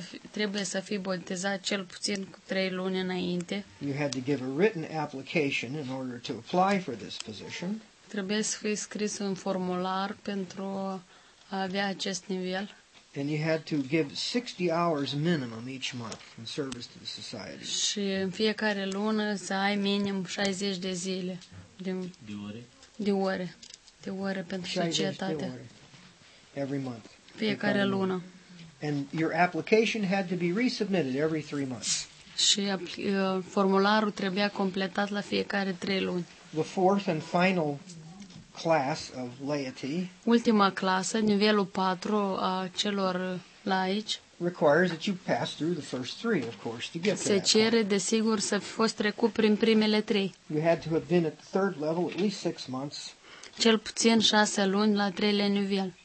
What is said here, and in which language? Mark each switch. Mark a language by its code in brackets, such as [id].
[ro] Trebuie să fii botezat cel puțin cu 3 luni înainte. [en] You had to give a written application in order to apply for this position. [ro] Trebuie să fii scris un formular pentru a avea acest nivel. [en] And you had to give 60 hours minimum each month in service to the society. [ro] Și în fiecare lună să ai minim 60 de zile de ore pentru societate. [en] Every month. [ro] Fiecare lună. [en] And your application had to be resubmitted every 3 months. [ro] Și formularul trebuia completat la fiecare 3 luni. [en] The fourth and final class of laity. [ro] Ultima clasă, nivelul 4 a celor laici. [en] Requires that you pass through the first 3, of course, to get to that. [ro] Se cere desigur să fi fost trecut prin primele 3. [en] You had to have been at the third level at least 6 months. [ro] Cel puțin 6 luni la treile nivel.